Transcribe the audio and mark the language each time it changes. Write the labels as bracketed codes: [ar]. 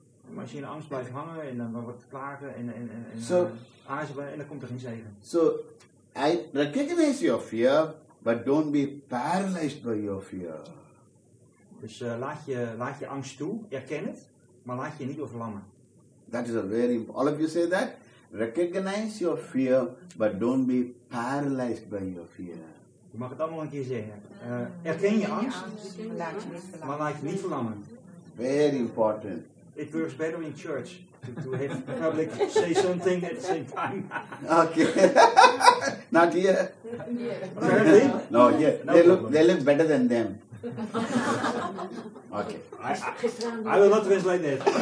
[nl] Maar als je in angst blijft hangen en dan wordt klagen aarzelen en dan komt er geen zegen. [en] So, I recognize your fear, but don't be paralyzed by your fear. [nl] Dus laat je angst toe, erken het, maar laat je niet overlammen. [en] That is a very important. All of you say that. Recognize your fear, but don't be paralyzed by your fear. [nl] Je mag het allemaal een keer zeggen. Erken je angst, maar laat je niet verlammen. [en] Very important. It works better in church to have the public say something at the same time. Okay. Not here. Yeah. Apparently. No, yeah. No, they look better than them. Okay. I will not translate that.